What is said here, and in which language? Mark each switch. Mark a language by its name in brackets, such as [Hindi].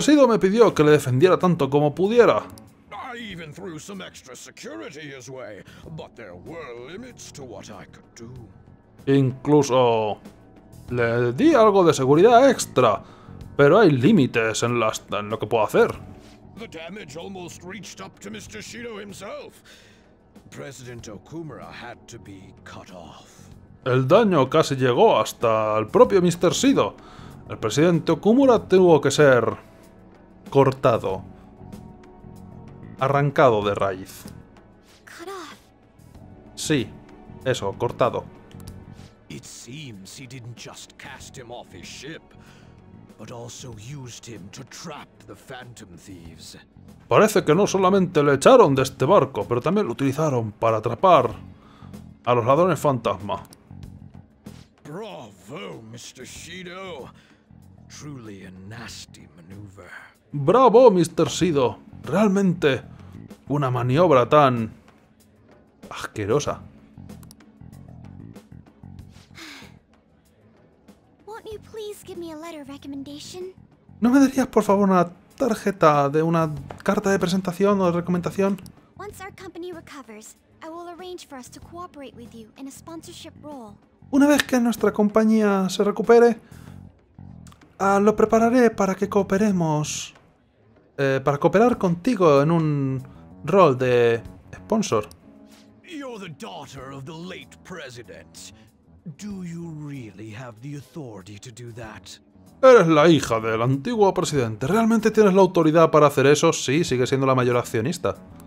[Spanish] Shido me pidió que le defendiera tanto como pudiera. [English] Even threw some extra security his way, but there were limits to what I could do. [Spanish] Incluso le di algo de seguridad extra, pero hay límites en lo que puedo hacer. [English] The damage almost reached up to Mr. Shido himself. President Okumura had to be cut off. [Spanish] El daño casi llegó hasta el propio Mr. Shido. El presidente Okumura tuvo que ser cortado. Arrancado de raíz. Sí, eso, cortado. [English] It seems he didn't just cast him off his ship, but also used him to trap the Phantom Thieves. [Spanish] Parece que no solamente le echaron de este barco, pero también lo utilizaron para atrapar a los ladrones fantasma. [English] Bravo, Mr. Shido. Truly a nasty maneuver. Bravo, Mr. Shido. [Spanish] Realmente una maniobra tan asquerosa. [English] Won't you please give me a letter of recommendation? [Spanish] ¿No me darías por favor una tarjeta de una carta de presentación o de recomendación? [English] Once our company recovers, I will arrange for us to cooperate with you in a sponsorship role. [Spanish] Una vez que nuestra compañía se recupere, lo prepararé para que cooperemos, para cooperar contigo en un rol de sponsor. [English] You're the daughter of the late president. Do you really have the authority to do that? [Spanish] Eres la hija del antiguo presidente. ¿Realmente tienes la autoridad para hacer eso? Sí, sigue siendo la mayor accionista.